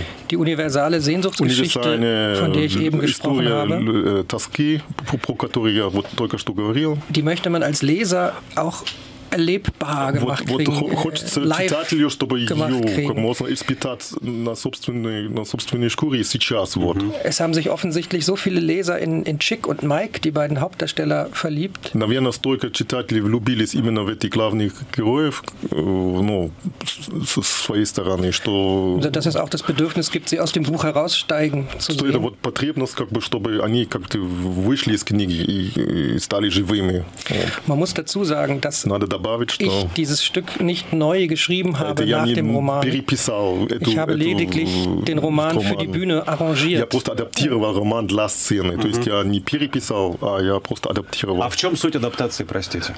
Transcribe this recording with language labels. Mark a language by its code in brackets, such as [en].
[de] Die universale Sehnsuchtsgeschichte, von der ich eben gesprochen habe, die möchte man als Leser auch erlebbar gemacht kriegen, live gemacht kriegen. Es haben sich offensichtlich so viele Leser in Chick und Mike, die beiden Hauptdarsteller, verliebt. [ru] Наверное, столько читателей влюбились именно в этих главных героев, ну, со своей стороны, что... [de] Dass es auch das Bedürfnis gibt, sie aus dem Buch heraussteigen zu sehen. [ru] Это вот потребность, как бы, чтобы они как-то вышли из книги и стали живыми. [de] Man muss dazu sagen, dass... Ich dieses Stück nicht neu geschrieben habe nach dem Roman. Ich habe lediglich den Roman für die Bühne arrangiert. [ru] Я просто адаптировал роман для сцены. То есть я не переписал, а я просто адаптировал. А в чем суть адаптации, простите?